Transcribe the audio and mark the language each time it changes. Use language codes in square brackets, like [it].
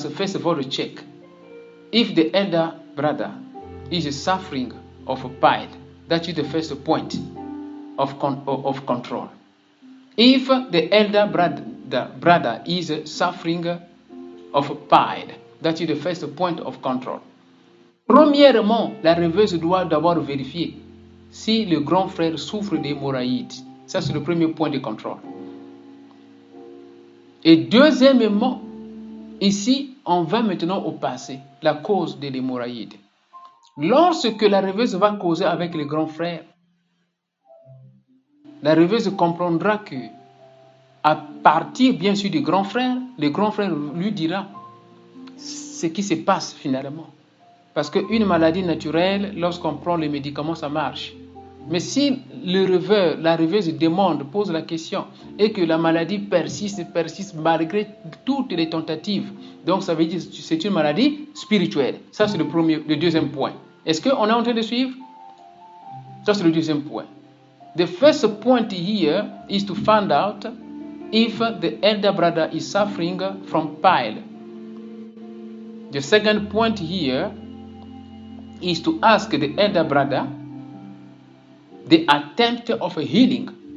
[en] If the elder brother is suffering of pride, that is the first point of control. If the elder brother is suffering of pride, that is the first point of control. [fr] Premièrement, la rêveuse doit d'abord vérifier si le grand frère souffre d'hémorroïdes. Ça, c'est le premier point de contrôle. Et deuxièmement, ici, on va maintenant au passé, la cause de l'hémorroïde. Lorsque la rêveuse va causer avec le grand frère, la rêveuse comprendra que à partir, bien sûr, du grand frère, le grand frère lui dira ce qui se passe finalement. Parce qu'une maladie naturelle, lorsqu'on prend les médicaments, ça marche. Mais si le rêveur, la rêveuse demande, pose la question, et que la maladie persiste, persiste malgré toutes les tentatives, donc ça veut dire que c'est une maladie spirituelle. Ça, c'est le deuxième point. Est-ce qu'on est en train de suivre? Ça, c'est le deuxième point. [en] The first point here is to find out if the elder brother is suffering from pile. The second point here is to ask the elder brother the attempt of a healing.